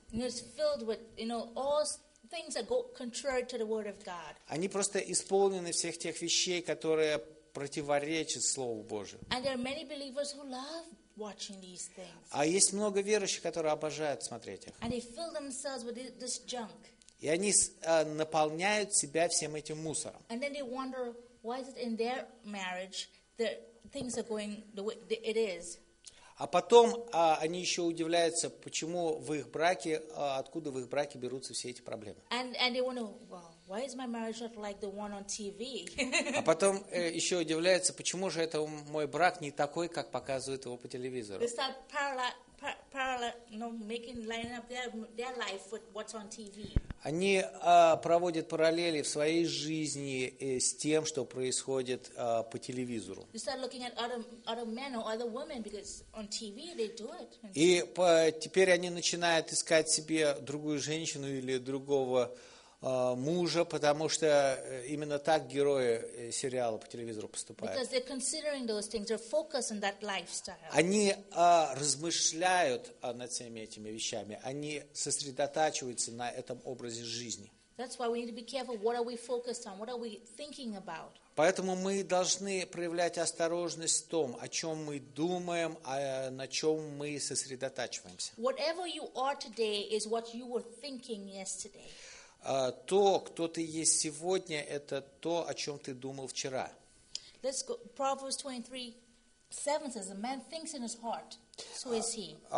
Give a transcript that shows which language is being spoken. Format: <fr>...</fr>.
<en>It's filled with, you know, all things that go contrary to the word of God.</en> <ru>Они просто исполнены всех тех вещей, которые противоречат Слову Божию.</ru> <en>And there are many believers who love watching these things.</en> <ru>А есть много верующих, которые обожают смотреть их.</ru> <en>And they fill themselves with this junk.</en> <ru>И они наполняют себя всем этим мусором.</ru> <en>And then they wonder why is it in their marriage that things are going the way it is.</en> <ru>А потом они еще удивляются, почему в их браке, откуда в их браке берутся все эти проблемы.</ru> <en>And they wonder, well, why is my marriage not like the one on TV?</en> <ru>А потом еще удивляются, почему же это мой брак не такой, как показывают его по телевизору.</ru> <en>They start lining up their life with what's on TV.</en> <ru>Они проводят параллели в своей жизни с тем, что происходит по телевизору.</ru> <en>You start looking at other men or other women because on TV they do it.</en> <ru>И теперь они начинают искать себе другую женщину или другого мужа, потому что именно так герои сериала по телевизору поступают.</ru> <en>Because they're considering those things, they're focused on that lifestyle.</en> <ru>Они размышляют над всеми этими вещами, они сосредотачиваются на этом образе жизни.</ru> <en>That's why we need to be careful. What are we focused on? What are we thinking about?</en> <ru>Поэтому мы должны проявлять осторожность в том, о чем мы думаем, на чем мы сосредотачиваемся.</ru> <en>Whatever you are today is what you were thinking yesterday.</en> <ru>То, кто ты есть сегодня, это то, о чем ты думал вчера.</ru> <en>Let's go. Proverbs 23:7 says, "A man thinks in his heart, so is he."</en>